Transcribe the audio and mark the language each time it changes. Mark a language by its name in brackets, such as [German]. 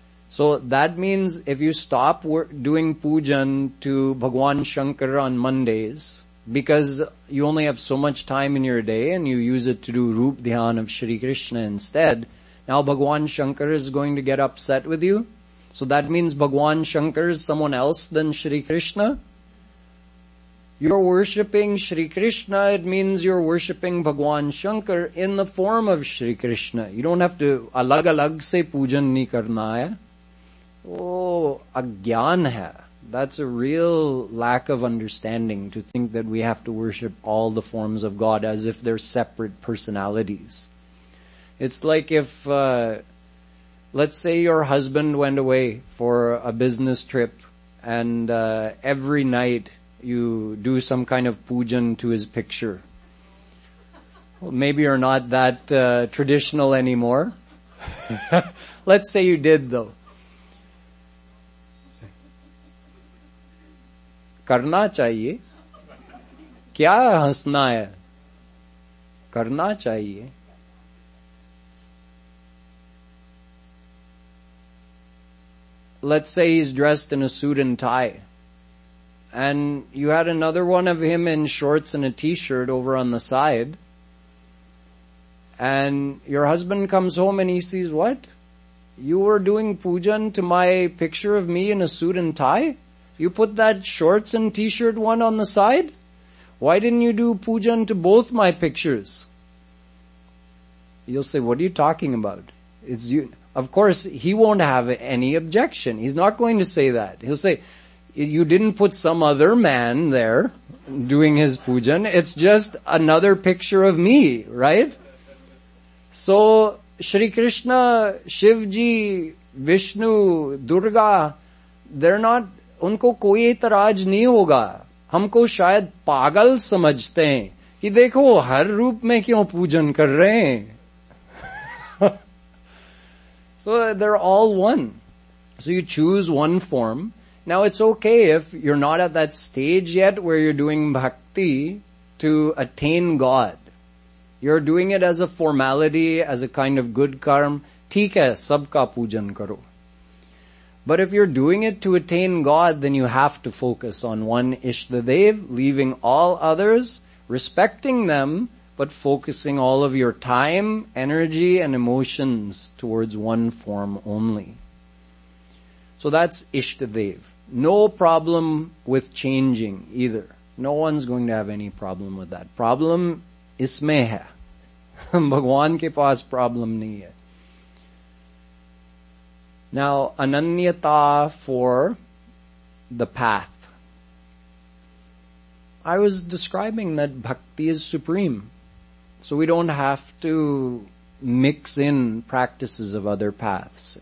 [English] So that means if you stop doing pujan to Bhagwan Shankar on Mondays because you only have so much time in your day and you use it to do Roop Dhyan of Shri Krishna instead, now Bhagwan Shankar is going to get upset with you. So that means Bhagwan Shankar is someone else than Shri Krishna. You're worshipping Shri Krishna, it means you're worshipping Bhagwan Shankar in the form of Shri Krishna. You don't have to [Hindi] अलग अलग से पूजन नी करना है. ओह, अज्ञान है. [English] That's a real lack of understanding to think that we have to worship all the forms of God as if they're separate personalities. It's like if, let's say your husband went away for a business trip and every night you do some kind of pujan to his picture. Well, maybe you're not that traditional anymore. Let's say you did though. [Hindi] करना चाहिए. क्या हँसना है? करना चाहिए. [English] Let's say he's dressed in a suit and tie. And you had another one of him in shorts and a t-shirt over on the side. And your husband comes home and he sees, what? You were doing pujan to my picture of me in a suit and tie? You put that shorts and t-shirt one on the side? Why didn't you do pujan to both my pictures? You'll say, what are you talking about? It's you. Of course, he won't have any objection. He's not going to say that. He'll say, you didn't put some other man there doing his pujan. It's just another picture of me, right? [Hindi] So, Shri Krishna, Shivji, Vishnu, Durga, [English] they're not, [Hindi] उनको कोई ऐतराज़ नहीं होगा. हमको शायद पागल समझते हैं. कि देखो, हर रूप में क्यों पूजन कर रहे हैं. [English] So they're all one. So you choose one form. Now it's okay if you're not at that stage yet where you're doing bhakti to attain God. You're doing it as a formality, as a kind of good karma. [Hindi] ठीक है, सबका पूजन करो. [English] But if you're doing it to attain God, then you have to focus on one Ishtadev, leaving all others, respecting them, but focusing all of your time, energy, and emotions towards one form only. So that's Ishtadev. No problem with changing either. No one's going to have any problem with that. [Hindi] Problem इसमें है. भगवान के पास problem नहीं है. [English] Now, ananyata for the path. I was describing that bhakti is supreme. So we don't have to mix in practices of other paths.